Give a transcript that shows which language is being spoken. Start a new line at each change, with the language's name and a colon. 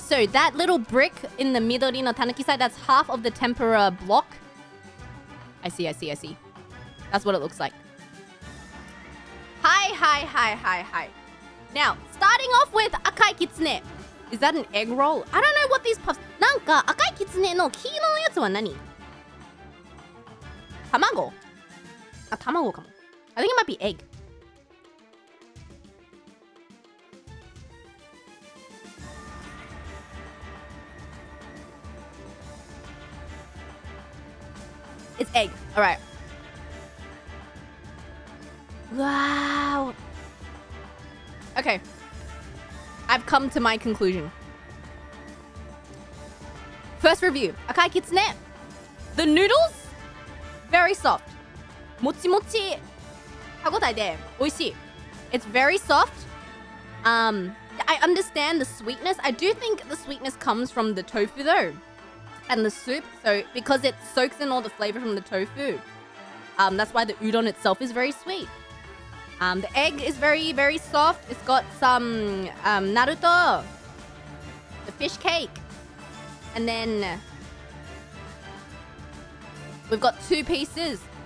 English: So that little brick in the 緑のたぬき side, that's half of the tempura block. I see, I see, I see. That's what it looks like.
Japanese: はいはいはいはいはい。
English: Now, starting off with Akai Kitsune. Is that an egg roll? I don't know what these puffs...
Japanese: なんか赤いキツネの黄色のやつは何？卵？あ、卵かも。
English: I think it might be egg. It's egg. All right. Wow. Okay, I've come to my conclusion. First review, Akai Kitsune. The noodles, very soft.
Japanese: もちもち歯ごたえで美味しい。
English: It's very soft. I understand the sweetness. I do think the sweetness comes from the tofu though, and the soup. So because it soaks in all the flavor from the tofu, that's why the udon itself is very sweet. The egg is very, very soft. It's got some naruto, the fish cake, and then we've got two pieces